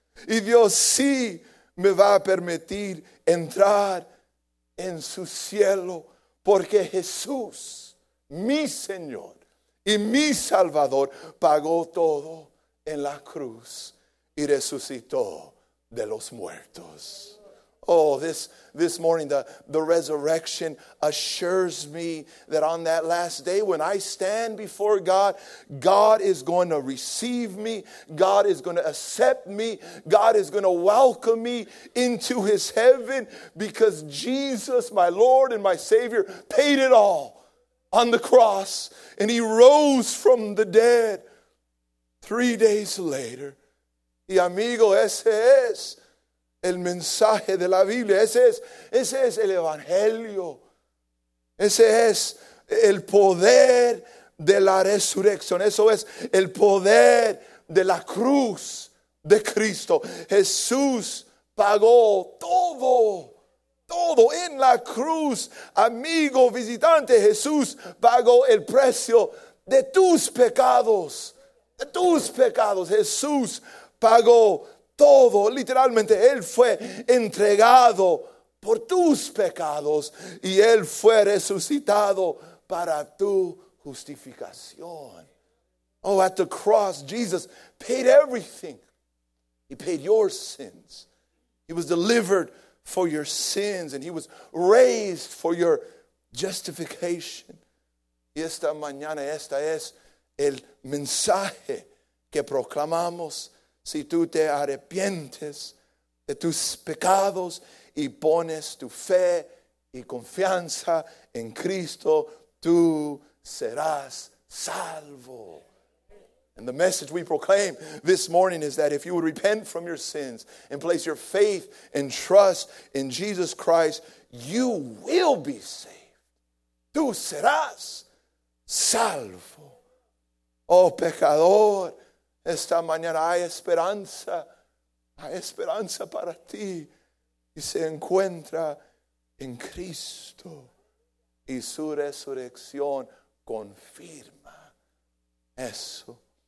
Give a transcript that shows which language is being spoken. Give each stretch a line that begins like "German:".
Spanish: Y Dios sí me va a permitir entrar en su cielo. Porque Jesús, mi Señor y mi Salvador, pagó todo en la cruz y resucitó de los muertos.
English: Oh, this morning, the resurrection assures me that on that last day, when I stand before God, God is going to receive me. God is going to accept me. God is going to welcome me into his heaven, because Jesus, my Lord and my Savior, paid it all on the cross. And he rose from the dead 3 days later.
Spanish: Y amigo, ese es el mensaje de la Biblia. Ese es el evangelio. Ese es el poder de la resurrección. Eso es el poder de la cruz de Cristo. Jesús pagó todo. Todo en la cruz. Amigo visitante, Jesús pagó el precio de tus pecados. De tus pecados. Jesús pagó todo, literalmente, él fue entregado por tus pecados y él fue resucitado para tu justificación.
English: Oh, at the cross, Jesus paid everything. He paid your sins. He was delivered for your sins and he was raised for your justification.
Spanish: Y esta mañana, esta es el mensaje que proclamamos. Si tú te arrepientes de tus pecados y pones tu fe y confianza en Cristo, tú serás salvo.
English: And the message we proclaim this morning is that if you would repent from your sins and place your faith and trust in Jesus Christ, you will be saved.
Spanish: Tú serás salvo. Oh, pecador, esta mañana hay esperanza para ti, y se encuentra en Cristo, y su resurrección confirma eso.